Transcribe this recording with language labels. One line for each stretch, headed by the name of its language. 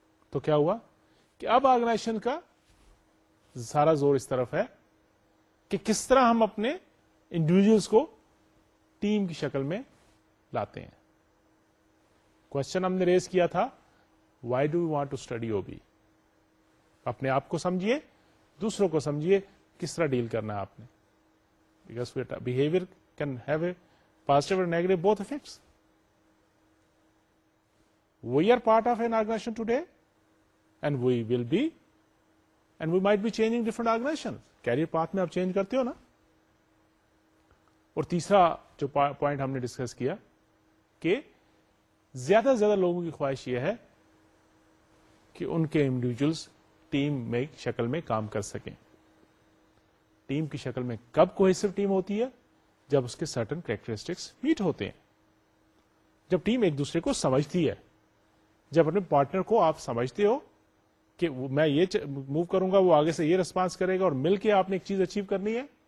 Urdu: تو کیا ہوا کہ اب آرگنائزیشن کا سارا زور اس طرف ہے کہ کس طرح ہم اپنے انڈیویجلس کو ٹیم کی شکل میں لاتے ہیں. کوشچن ہم نے ریز کیا تھا,
English: Why do we want to study O B?
Urdu: اپنے آپ کو سمجھیے, دوسروں کو سمجھیے, کس طرح ڈیل کرنا ہے آپ نے, behaviour
English: can have a positive or negative both effects. We are part of an organization today, and we will be, and we might be changing different organizations.
Urdu: Career path mein aap change karte ho na. اور تیسرا جو point ہم نے discuss کیا کہ زیادہ سے زیادہ لوگوں کی خواہش یہ ہے کہ ان کے انڈیویجلس ٹیم میں شکل میں کام کر سکیں. ٹیم کی شکل میں کب کوہیسو ٹیم ہوتی ہے؟ جب اس کے سرٹن کریکٹرسٹکس میٹ ہوتے ہیں, جب ٹیم ایک دوسرے کو سمجھتی ہے, جب اپنے پارٹنر کو آپ سمجھتے ہو کہ میں یہ موو کروں گا, وہ آگے سے یہ ریسپانس کرے گا, اور مل کے آپ نے ایک چیز اچیو کرنی ہے.